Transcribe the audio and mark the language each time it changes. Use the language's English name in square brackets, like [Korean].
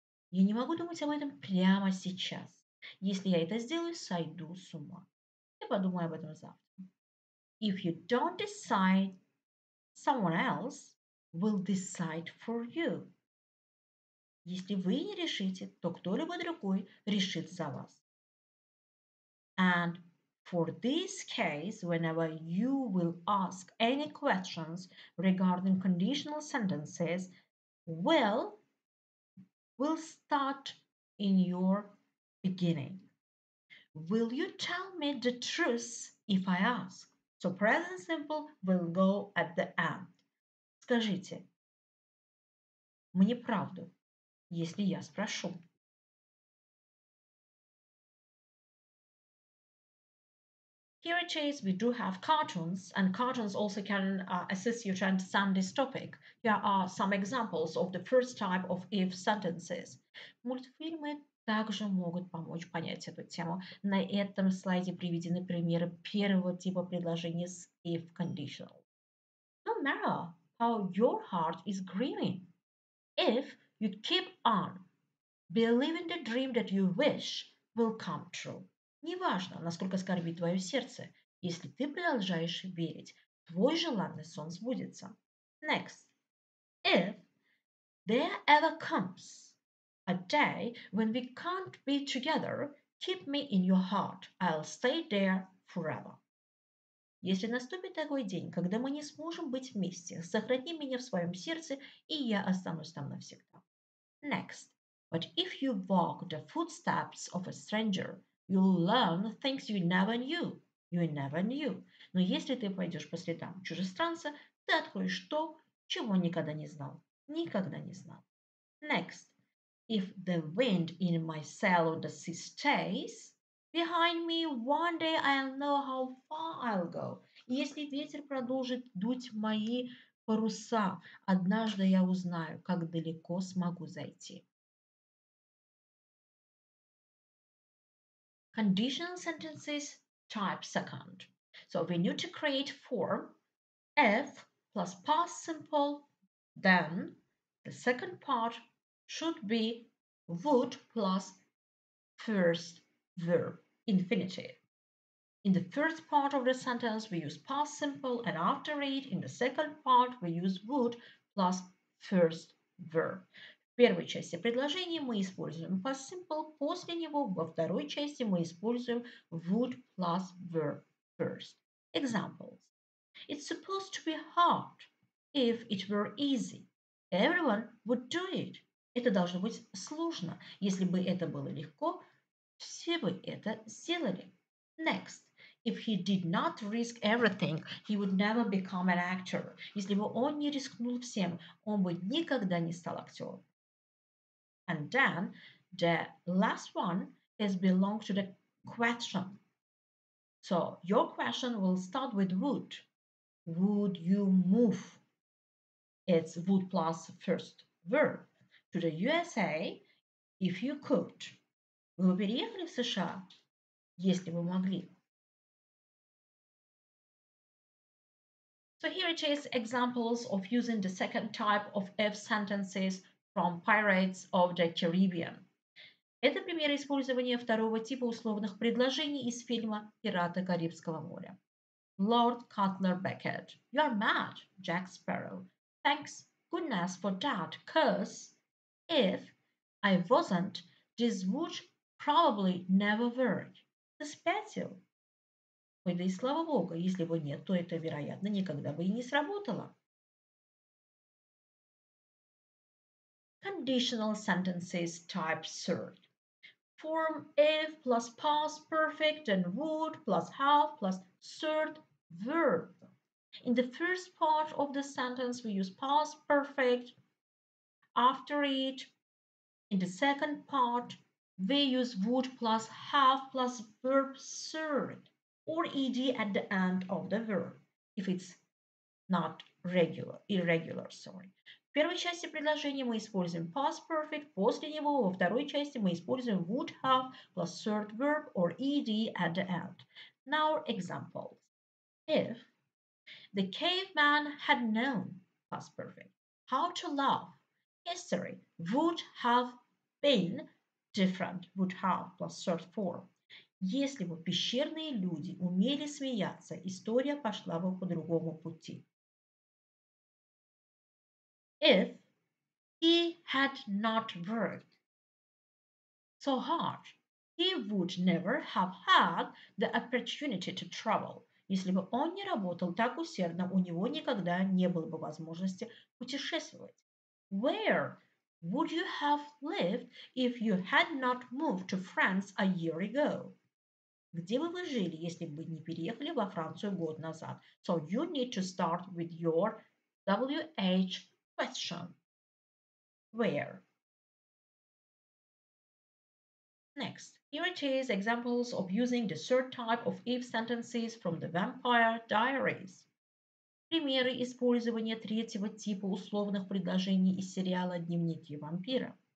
[Russian] Я не могу думать об этом прямо сейчас. Если я это сделаю, сойду с ума. Я подумаю об этом завтра. [English] If you don't decide, someone else will decide for you. [Russian] Если вы не решите, то кто-либо другой решит за вас. [English] And for this case, whenever you will ask any questions regarding conditional sentences, will start in your beginning. Will you tell me the truth if I ask? So present simple will go at the end. [Russian] Скажите мне правду, если я спрошу. [English] Here it is, we do have cartoons, and cartoons also can assist you to understand this topic. Here are some examples of the first type of if sentences. [Russian] Мультфильмы также могут помочь понять эту тему. На этом слайде приведены примеры первого типа предложения с if conditional. [English] No matter how your heart is grieving, if you keep on believing the dream that you wish will come true. [Russian] Неважно, насколько скорбит твое сердце, если ты продолжаешь верить, твой желанный сон сбудется. [English] Next. If there ever comes a day when we can't be together, Keep me in your heart. I'll stay there forever. [Russian] Если наступит такой день, когда мы не сможем быть вместе, сохрани меня в своем сердце, и я останусь там навсегда. [English] Next. But if you walk the footsteps of a stranger, you'll learn things you never knew. You never knew. [Russian] Но если ты пойдешь по следам чужестранца, ты откроешь то, чего никогда не знал. Никогда не знал. [English] Next. If the wind in my sail or the sea stays behind me, one day I'll know how far I'll go. [Russian] Если ветер продолжит дуть мои паруса, однажды я узнаю, как далеко смогу зайти. [English] Conditional sentences, type second. So we need to create form, if plus past simple, then the second part should be would plus first verb, infinitive. In the first part of the sentence, we use past simple, and after it, in the second part, we use would plus first verb. [Russian] В первой части предложения мы используем past simple, после него во второй части мы используем [English] would plus verb first. Examples. It's supposed to be hard. If it were easy, everyone would do it. [Russian] Это должно быть сложно. Если бы это было легко, все бы это сделали. Next. [English] If he did not risk everything, he would never become an actor. [Russian] Если бы он не рискнул всем, он бы никогда не стал актером. [English] And then, the last one is belong to the question. So, your question will start with would. Would you move? It's would plus first verb. To the USA, if you could. [Russian] Вы бы переехали в США, если бы могли. [English] So, here it is, examples of using the second type of if sentences from Pirates of the Caribbean. [Russian] Это пример использования второго типа условных предложений из фильма «Пираты Карибского моря». [English] Lord Cutler Beckett. You're mad, Jack Sparrow. Thanks goodness for that, 'cause if I wasn't, this would probably never work. [Russian] Ты спятил? Ой, да и слава богу, если бы нет, то это, вероятно, никогда бы и не сработало. [English] Conditional sentences type third. Form if plus past perfect and would plus have plus third verb. In the first part of the sentence, we use past perfect. After it, in the second part, we use would plus have plus verb third or ed at the end of the verb if it's not irregular. [Russian] В первой части предложения мы используем past perfect, после него во второй части мы используем [English] would have plus third verb or ed at the end. Now examples. If the caveman had known past perfect how to love, history would have been different, would have plus third form. [Russian] Если бы пещерные люди умели смеяться, история пошла бы по другому пути. [English] If he had not worked so hard, he would never have had the opportunity to travel. [Russian] Если бы он не работал так усердно, у него никогда не было бы возможности путешествовать. [English] Where would you have lived if you had not moved to France a year ago? [Russian] Где бы вы жили, если бы не переехали во Францию год назад? [English] So you need to start with your WH question. Where? Next, here it is, examples of using the third type of if sentences from the Vampire Diaries. [Russian] Примеры использования третьего типа условных предложений из сериала «Дневники вампира».